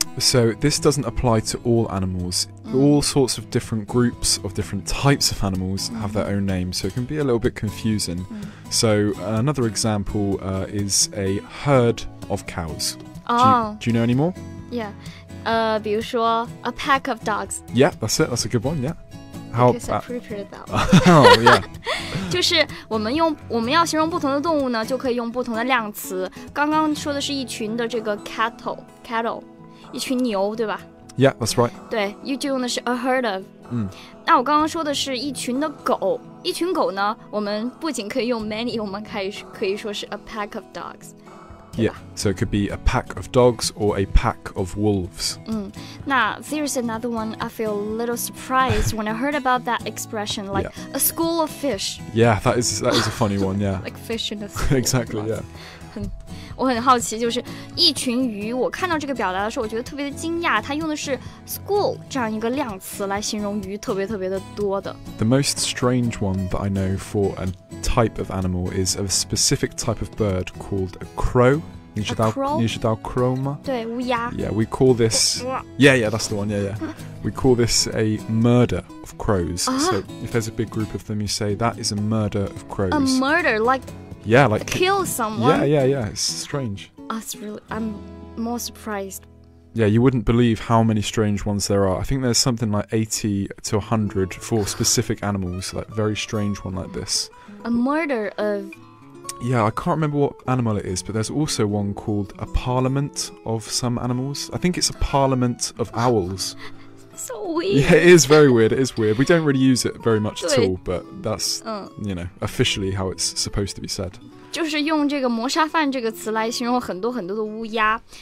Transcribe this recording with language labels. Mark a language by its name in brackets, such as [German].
[English] So, this doesn't apply to all animals. All sorts of different groups of different types of animals have their own names, so it can be a little bit confusing. So another example is a herd of cows. Do you know any more? Yeah. [Chinese] 比如说 [English] a pack of dogs. Yeah, that's it. That's a good one, yeah. How about... Because I prepared that one. Oh, yeah. [Chinese] 就是我们要形容不同的动物呢，就可以用不同的量词。刚刚说的是一群的这个 cattle, 一群牛，对吧？ [English] Yeah, that's right. [Chinese] 对，就用的是 [English] a herd of. [Chinese] 那我刚刚说的是一群的狗。一群狗呢，我们不仅可以用 many, 我们可以说是 [English] a pack of dogs. Yeah, so it could be a pack of dogs or a pack of wolves. 那 there's another one I feel a little surprised when I heard about that expression, like a school of fish. Yeah, that is a funny one, yeah. Like fish in a school. Exactly, yeah. [Chinese] 我很好奇就是一群鱼我看到这个表达的时候我觉得特别的惊讶它用的是 school 这样一个量词来形容鱼特别特别的多的 [English] The most strange one that I know for a type of animal is a specific type of bird called a crow [Chinese] 你知道 crow? 你知道 crow 吗对乌鸦 [English] Yeah, we call this Yeah, yeah, that's the one, yeah, yeah We call this a murder of crows So if there's a big group of them you say that is a murder of crows A murder, like Yeah, like... Kill someone? Yeah, yeah, yeah. It's strange. That's really... I'm more surprised. Yeah, you wouldn't believe how many strange ones there are. I think there's something like 80 to 100 for specific animals. Like, very strange one like this. A murder of... Yeah, I can't remember what animal it is, but there's also one called a parliament of some animals. I think it's a parliament of owls. So weird. Yeah, it is very weird. It is weird. We don't really use it very much at all, but that's, you know, officially how it's supposed to be said. [Chinese] 就是用这个谋杀犯这个词来形容很多很多的乌鸦。